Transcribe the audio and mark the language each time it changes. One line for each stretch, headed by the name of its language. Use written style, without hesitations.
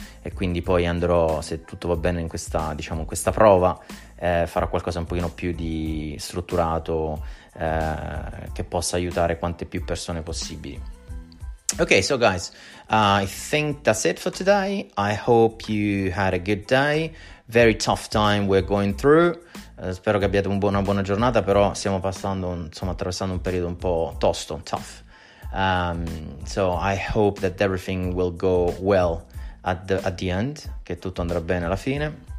Italian: E quindi poi andrò, se tutto va bene in questa, diciamo, in questa prova, farò qualcosa un pochino più di strutturato, che possa aiutare quante più persone possibili.
English: Okay, so guys, I think that's it for today. I hope you had a good day. Very tough time we're going through.
Italian: Spero che abbiate una buona giornata, però stiamo passando, insomma, attraversando un periodo un po' tosto, tough.
English: So I hope that everything will go well at the end,
Italian: che tutto andrà bene alla fine.